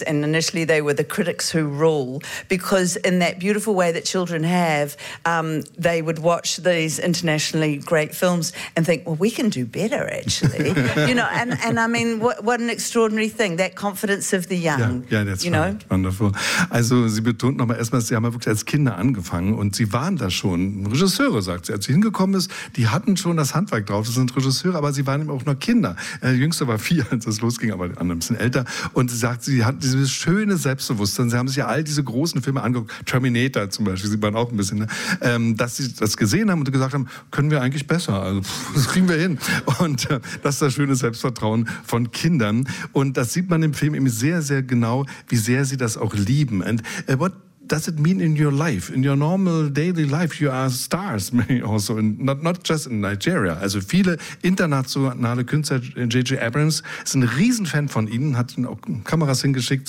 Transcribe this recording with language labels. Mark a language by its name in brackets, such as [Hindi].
[English] And initially they were the critics who rule, because in that beautiful way that children have, they would watch these internationally great films and think, well, we can do better, actually. You know, and I mean, what an extraordinary thing, that confidence of the young. Yeah, that's right. Wonderful. [German] Also, Sie betont nochmal erstmal, Sie haben ja wirklich als Kinder angefangen und Sie waren da schon Regisseure, sagt sie. Als sie hingekommen ist, die hatten schon das Handwerk drauf, das sind Regisseure, aber sie waren eben auch nur Kinder. Jüngste war vier, als das losging, aber die anderen ein bisschen älter. Und sie sagt, sie hat dieses schöne Selbstbewusstsein. Sie haben sich ja all diese großen Filme angeguckt. Terminator zum Beispiel, sieht man auch ein bisschen. Ne? Dass sie das gesehen haben und gesagt haben, können wir eigentlich besser. Also, das kriegen wir hin. Und das ist das schöne Selbstvertrauen von Kindern. Und das sieht man im Film eben sehr, sehr genau, wie sehr sie das auch lieben. [English] And what does it mean in your life, in your normal daily life? You are stars, maybe also, in, not just in Nigeria. [German] Also viele internationale Künstler, J.J. Abrams, ist ein Riesenfan von Ihnen, hat Ihnen auch Kameras hingeschickt.